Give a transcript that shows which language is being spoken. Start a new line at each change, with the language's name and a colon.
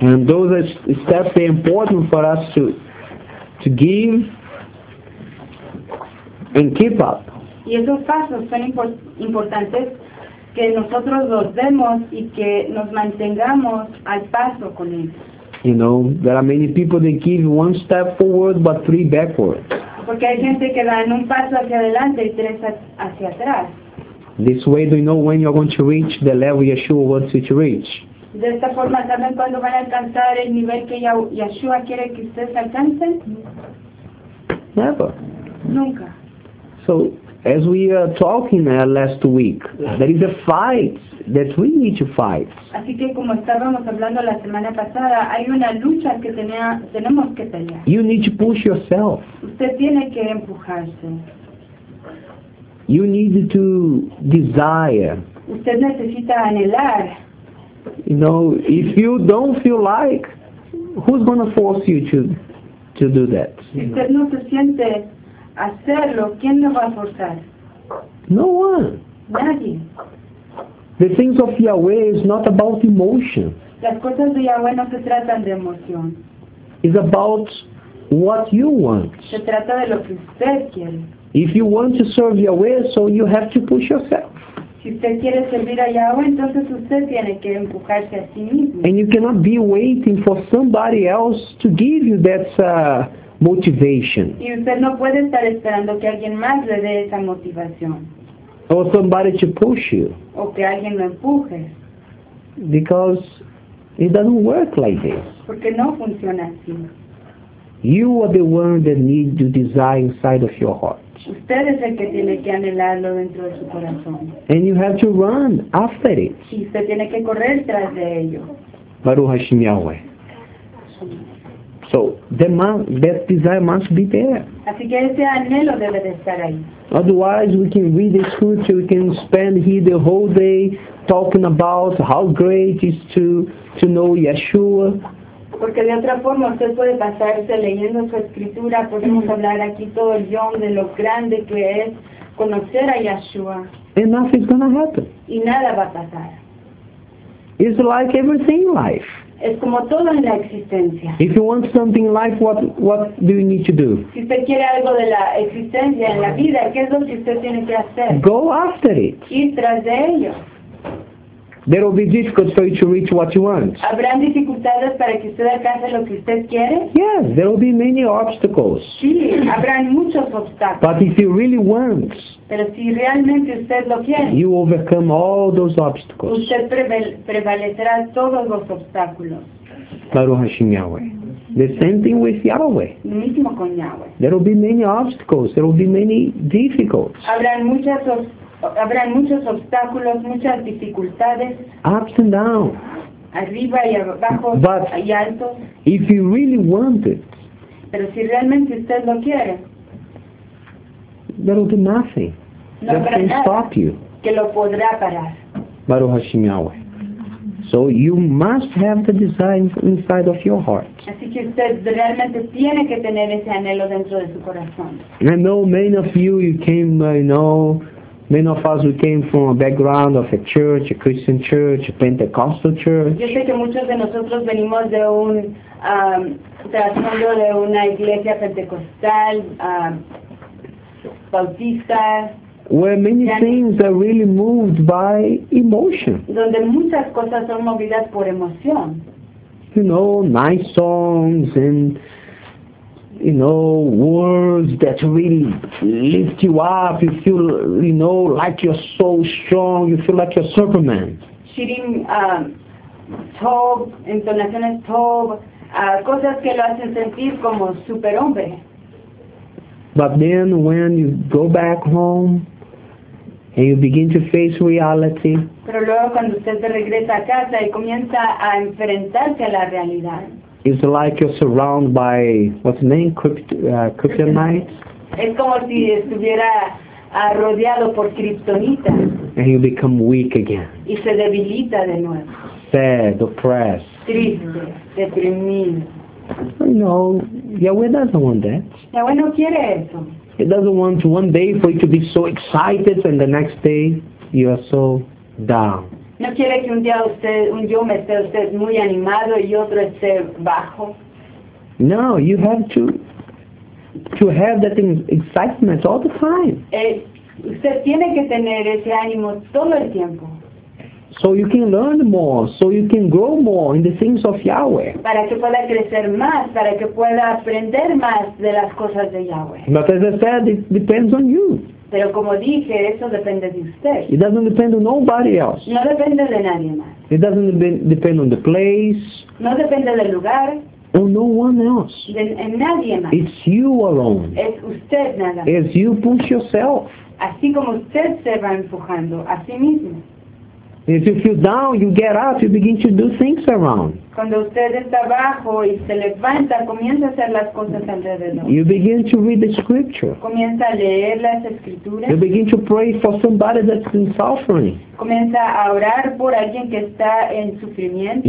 English: And those are steps are important for us to give and keep up.
Spanish: Y esos pasos son importantes que nosotros los demos y que nos mantengamos al paso con ellos.
English: You know, there are many people that give one step forward but three backwards.
Spanish: Porque hay gente que da un paso hacia adelante y tres hacia atrás.
English: This way do you know when you're going to reach the level Yeshua wants you to reach.
Spanish: De esta forma saben cuando van a alcanzar el nivel que Yeshua quiere que ustedes alcancen.
English: Never.
Spanish: Nunca.
English: So, as we are talking last week, there is a fight that we need to fight.
Spanish: Así que como estábamos hablando la semana pasada, hay una lucha que tenemos que pelear.
English: You need to push yourself.
Spanish: Usted tiene que empujarse.
English: You need to desire.
Spanish: Usted necesita anhelar.
English: You know, if you don't feel like, who's going to force you to do that?
Spanish: Si usted no se siente hacerlo, ¿quién lo va a forzar?
English: No one.
Spanish: Nadie.
English: The things of Yahweh is not about emotion.
Spanish: Las cosas de Yahweh no se tratan de emoción.
English: It's about what you want.
Spanish: Se trata de lo que usted quiere.
English: If you want to serve Yahweh, so you have to push yourself.
Spanish: Si usted quiere servir a Yahweh, entonces usted tiene que empujarse a sí mismo.
English: And you cannot be waiting for somebody else to give you that motivation.
Spanish: Y usted no puede estar esperando que alguien más le dé esa motivación.
English: Or somebody to push you.
Spanish: O que alguien lo empuje.
English: Because it doesn't work like this.
Spanish: Porque no funciona así.
English: You are the one that needs to desire inside of your heart.
Spanish: Usted es el que tiene que anhelarlo dentro de su corazón.
English: And you have to run after it.
Spanish: Y usted tiene que correr tras de ello.
Hebrew: Baruch Hashem Yahweh.
English: So that desire must be there.
Spanish: Así que ese anhelo debe de estar ahí.
English: Otherwise, we can read the scripture, we can spend here the whole day talking about how great it is to know Yeshua.
Spanish: Porque de otra forma usted puede pasarse leyendo su escritura, podemos hablar aquí todo el yom de lo grande que es conocer a Yeshua.
English: And nothing's gonna happen.
Spanish: Y nada va a pasar.
English: It's like everything in life.
Spanish: Es como todo en la existencia.
English: If you want something in life, what do you need to do?
Spanish: Si usted quiere algo de la existencia en la vida, ¿qué es lo que usted tiene que hacer?
English: Go after it.
Spanish: Ir tras de ello.
English: There will be difficulties for you to reach what you want.
Spanish: ¿Habrán dificultades para que usted alcance lo que usted quiere?
English: Yes, there will be many obstacles.
Spanish: Sí, habrán muchos obstáculos.
English: But if you really want,
Spanish: pero si realmente usted lo quiere,
English: you overcome all those obstacles.
Spanish: Usted prevalecerá todos los obstáculos.
Hebrew: Baruch Hashem Yahweh.
English: The same thing with Yahweh.
Spanish: Lo mismo con Yahweh.
English: There will be many obstacles. There will be many difficulties.
Spanish: Habrán muchos obstáculos, muchas dificultades.
English: Ups and down.
Spanish: Arriba y abajo.
English: But
Spanish: y alto.
English: If you really want it,
Spanish: pero si realmente usted lo quiere,
English: there will be nothing that can stop you.
Spanish: Que lo podrá parar.
Hebrew: Baruch Hashem Yahweh.
English: So you must have the desire inside of your heart.
Spanish: Así que usted realmente tiene que tener ese anhelo dentro de su corazón.
English: I know many of you, you came, you know, many of us who came from a background of a church, a Christian church, a Pentecostal church.
Spanish: Yo sé que muchos de nosotros venimos de un trasfondo de una iglesia pentecostal, bautista.
English: where many things are really moved by emotion.
Spanish: Donde muchas cosas son movidas por emoción.
English: You know, nice songs and, you know, words that really lift you up. You feel, you know, like you're so strong. You feel like you're Superman.
Spanish: Shirin, top, entonaciones top, cosas que lo hacen sentir como superhombre.
English: But then when you go back home and you begin to face reality,
Spanish: pero luego cuando usted se regresa a casa y comienza a enfrentarse a la realidad,
English: it's like you're surrounded by, what's the name, kryptonite?
Spanish: Es como si estuviera rodeado por kryptonita.
English: And you become weak again.
Spanish: Y se debilita de nuevo.
English: Sad, oppressed.
Spanish: Triste, deprimido.
English: No, Yahweh doesn't want that.
Spanish: Yahweh no quiere eso.
English: He doesn't want one day for you to be so excited and the next day you are so down.
Spanish: No quiere que un día usted, un yo me esté usted muy animado y otro esté bajo.
English: No, you have to have that excitement all the time.
Spanish: Usted tiene que tener ese ánimo todo el tiempo.
English: So you can learn more, so you can grow more in the things of Yahweh.
Spanish: Para que pueda crecer más, para que pueda aprender más de las cosas de Yahweh.
English: But as I said, it depends on you.
Spanish: Pero como dije, eso depende de usted.
English: It doesn't depend on nobody else.
Spanish: No depende de nadie más.
English: It doesn't depend on the place.
Spanish: No depende del lugar.
English: On no one else.
Spanish: En nadie más.
English: It's you alone.
Spanish: Es usted nada más.
English: As you push yourself.
Spanish: Así como usted se va empujando a sí mismo.
English: If you feel down, you get up, you begin to do things around.
Spanish: Cuando usted está abajo y se levanta, comienza a hacer las cosas alrededor.
English: You begin to read the scripture.
Spanish: Comienza a leer las escrituras.
English: You begin to pray for somebody that's in suffering.
Spanish: Comienza a orar por alguien que está en sufrimiento.